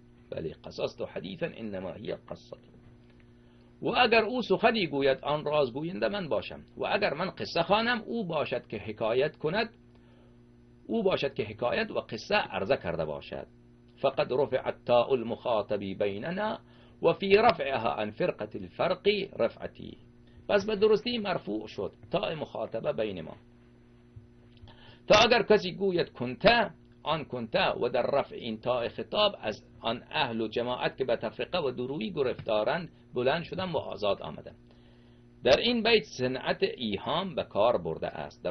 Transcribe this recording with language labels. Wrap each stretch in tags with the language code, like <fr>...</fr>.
<ar>بلی قصصت حديثا انما هي قصتي.</ar> <fa>و اگر او سخنی گوید، آن راز گوینده من باشم، و اگر من قصه خوانم، او باشد که حکایت کند او باشد که حکایت و قصه عرضه کرده باشد.</fa> <ar>فقد رفعت تاء المخاطب بيننا وفي رفعها عن فرقة الفرق رفعتي.</ar> <fa>پس به درستی مرفوع شد تاء مخاطبه بین ما. تا اگر کسی گوید کنت آن کنت و در رفع این تاء خطاب از آن اهل و جماعت که به تفرقه و دورویی گرفتارند بلند شدم و آزاد آمدم. در این بیت صنعت ایهام به کار برده است.</fa>